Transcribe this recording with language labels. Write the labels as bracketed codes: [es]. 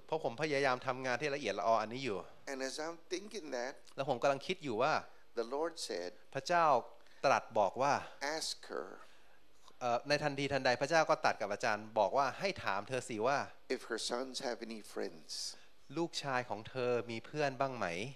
[th] เพราะผมพยายามทำงานที่ละเอียดละอออันนี้อยู่ [en] And as I'm thinking that, [th] แล้วผมกำลังคิดอยู่ว่า [en] the Lord said, [th] พระเจ้าตรัสบอกว่า [en] ask her. [th] ในทันทีทันใดพระเจ้าก็ตัดกับอาจารย์บอกว่าให้ถามเธอสิว่า [en] If her sons have any friends [th] ลูกชายของเธอมีเพื่อนบ้างไหม